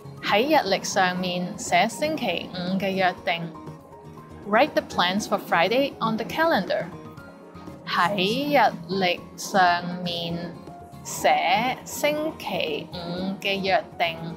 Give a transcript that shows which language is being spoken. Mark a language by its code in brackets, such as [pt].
[zh] 在日曆上面寫星期五的約定。 [en] Write the plans for Friday on the calendar. [zh] 在日曆上面寫星期五的約定。